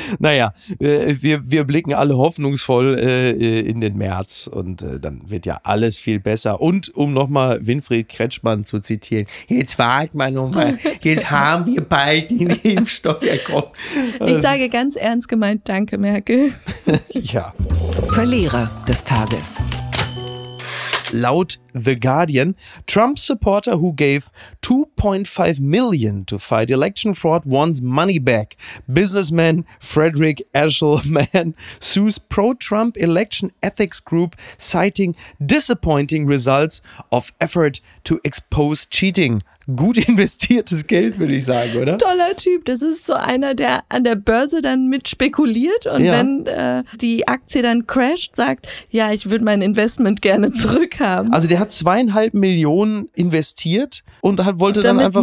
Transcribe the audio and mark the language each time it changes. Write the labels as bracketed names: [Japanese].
[German] Naja, wir blicken alle hoffnungsvoll in den März und dann wird ja alles viel besser. Und um nochmal Winfried Kretschmann zu zitieren, jetzt warten wir nochmal, jetzt haben wir bald den Impfstoff. Ja, komm. Ich sage ganz ernst gemeint, danke Merkel. Ja. Verlierer des Tages. [English] Laut The Guardian, Trump supporter who gave 2.5 million to fight election fraud wants money back. Businessman Frederick Eshelman sues pro-Trump election ethics group, citing disappointing results of effort to expose cheating. [German] Gut investiertes Geld, würde ich sagen, oder? Toller Typ. Das ist so einer, der an der Börse dann mit spekuliert und wenn die Aktie dann crasht, sagt, ja, ich würde mein Investment gerne zurückhaben. Also der hat 2,5 Millionen investiert und wollte dann einfach...